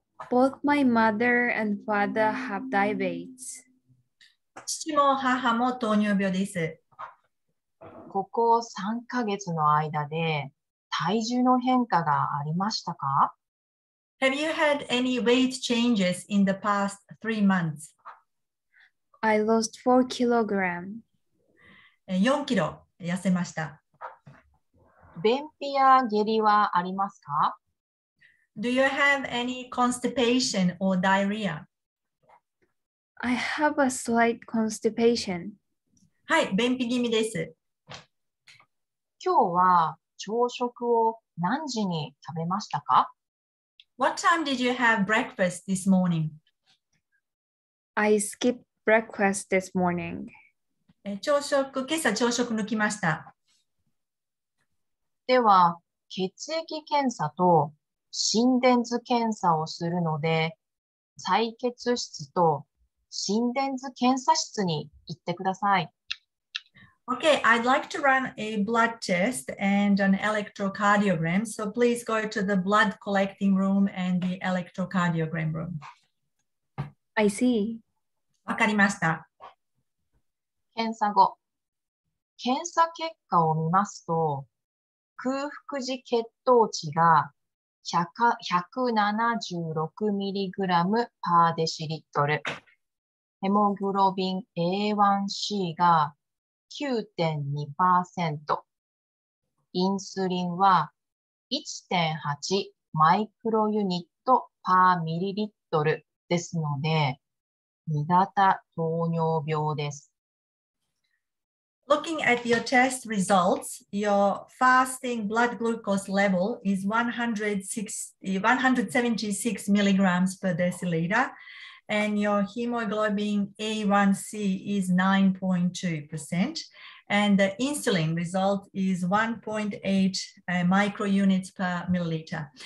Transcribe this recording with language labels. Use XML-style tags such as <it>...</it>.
<en>Both my mother and father have diabetes.</en> <ja>父も母も糖尿病です。ここ3ヶ月の間で体重の変化がありましたか？</ja> <en>Have you had any weight changes in the past 3 months? I lost 4 kilograms.</en> <ja>4キロ痩せました。便秘や下痢はありますか？</ja> <en>Do you have any constipation or diarrhea? I have a slight constipation.</en> <ja>便秘気味です。今日は朝食を何時に食べましたか？</ja> <en>What time did you have breakfast this morning? I skipped breakfast this morning.</en> <ja>今朝朝食抜きました。では、血液検査と心電図検査をするので、採血室と心電図検査室に行ってください。</ja> <en>Okay, I'd like to run a blood test and an electrocardiogram. So please go to the blood collecting room and the electrocardiogram room. I see.</en> <ja>わかりました。検査後、検査結果を見ますと、空腹時血糖値が176mg パーデシリットル、ヘモグロビン A1C が9.2%、インスリンは1.8マイクロユニットパーミリリットルですので、2型糖尿病です。</ja> <en>Looking at your test results, your fasting blood glucose level is 176 milligrams per deciliter, and your hemoglobin A1c is 9.2%, and the insulin result is 1.8 microunits per milliliter.</en>